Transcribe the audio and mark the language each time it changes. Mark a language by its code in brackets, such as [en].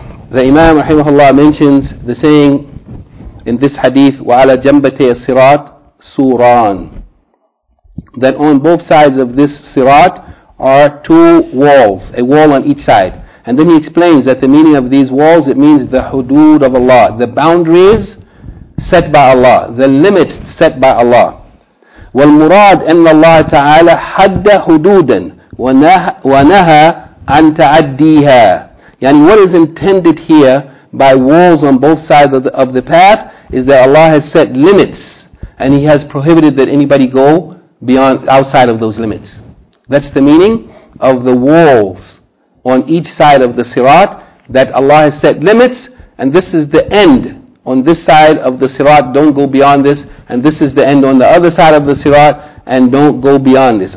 [en] The Imam rahimahullah mentions the saying in this hadith, [ar] وَعَلَى جَنْبَتَيَ الصِّرَاطِ سُورَانِ, [en] that on both sides of this sirat are two walls, a wall on each side. And then he explains that the meaning of these walls, it means the hudud of Allah, the boundaries set by Allah, the limits set by Allah. [ar] والمراد أن الله تعالى حد حدودا ونهى عن تعديها. [en] يعني what is intended here by walls on both sides of the path is that Allah has set limits and He has prohibited that anybody go beyond, outside of those limits. That's the meaning of the walls on each side of the sirat, that Allah has set limits and this is the end on this side of the sirat, don't go beyond this, and this is the end on the other side of the sirat, and don't go beyond this.